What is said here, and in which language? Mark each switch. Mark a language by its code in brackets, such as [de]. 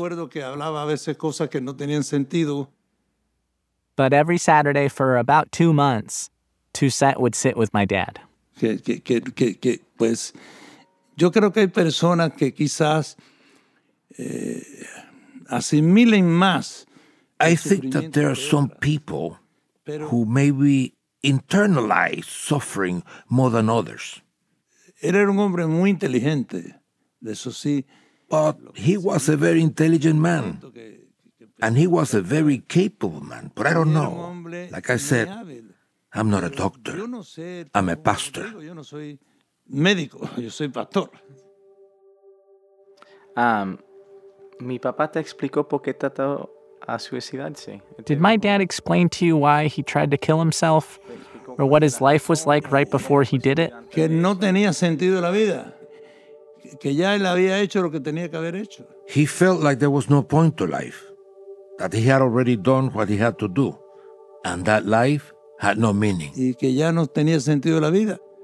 [es] Me acuerdo que hablaba a veces cosas que no tenían sentido. [en] But every Saturday for about 2 months, Toussaint would sit with my dad. [es] Que pues, yo creo que hay personas que quizás asimilen más. [en] I think that there are some people who maybe internalize suffering more than others. [es] Él era un hombre muy inteligente, eso sí. [en] But he was a very intelligent man. And he was a very capable man. But I don't know. Like I said, I'm not a doctor. I'm a pastor. [es] Médico, yo soy pastor. Mi papá te explicó por qué trató a suicidarse. [en] Did my dad explain to you why he tried to kill himself, or what his life was like right before he did it? [es] Que no tenía sentido la vida, que ya él había hecho lo que tenía que haber hecho. [en] He felt like there was no point to life, that he had already done what he had to do, and that life had no meaning. [es] Y que ya no tenía sentido la vida.